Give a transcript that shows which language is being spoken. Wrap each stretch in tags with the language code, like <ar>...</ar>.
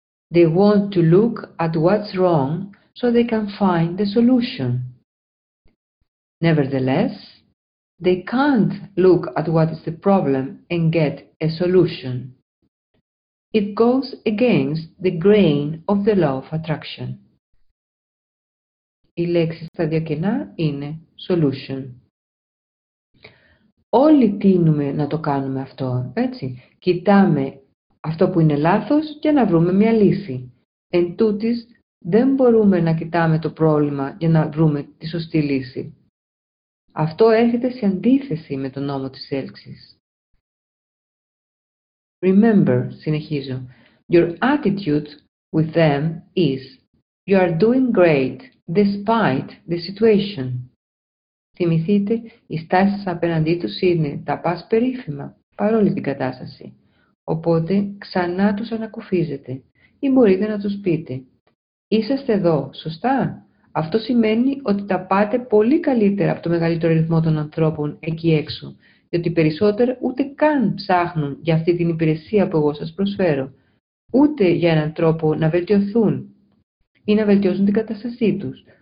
<en>They want to look at what's wrong so they can find the solution. Nevertheless, they can't look at what is the problem and get a solution. It goes against the grain of the law of attraction.</en> <el>Η λέξη στα δύο κενά είναι solution. Όλοι τίνουμε να το κάνουμε αυτό, έτσι. Κοιτάμε αυτό που είναι λάθος για να βρούμε μια λύση. Εν τούτης, δεν μπορούμε να κοιτάμε το πρόβλημα για να βρούμε τη σωστή λύση. Αυτό έρχεται σε αντίθεση με τον νόμο της έλξης.</el> <en>Remember,</en> <el>συνεχίζω,</el> <en>your attitude with them is you are doing great despite the situation.</en> <el>Θυμηθείτε, η στάση σας απέναντί τους είναι τα πας περίφημα, παρόλη την κατάσταση. Οπότε, ξανά τους ανακουφίζετε ή μπορείτε να τους πείτε «Είσαστε εδώ, σωστά?» Αυτό σημαίνει ότι τα πάτε πολύ καλύτερα από το μεγαλύτερο αριθμό των ανθρώπων εκεί έξω, διότι περισσότερο ούτε καν ψάχνουν για αυτή την υπηρεσία που εγώ σας προσφέρω, ούτε για έναν τρόπο να βελτιωθούν ή να βελτιώσουν την κατάστασή τους.</el>